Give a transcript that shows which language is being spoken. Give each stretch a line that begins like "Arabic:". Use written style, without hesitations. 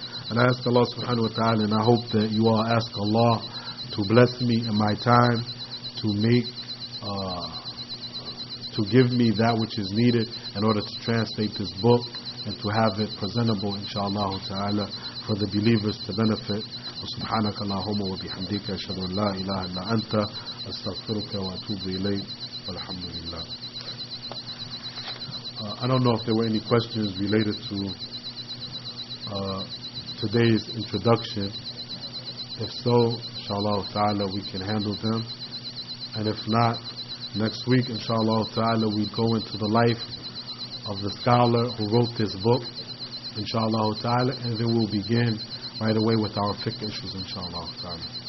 English: And I ask Allah subhanahu wa ta'ala, and I hope that you all ask Allah to bless me in my time, to make to give me that which is needed in order to translate this book and to have it presentable, inshallah ta'ala, for the believers to benefit.
Arabic: سبحانك اللهم وبحمدك أشهد أن لا إله إلا أنت أستغفرك وأتوب إليك والحمد لله.
English: I don't know if there were any questions related to today's introduction. If so, inshallah ta'ala, we can handle them. And if not, next week, inshallah ta'ala, we go into the life of the scholar who wrote this book, inshallah ta'ala, and then we'll begin right away with our fiqh issues, inshallah ta'ala.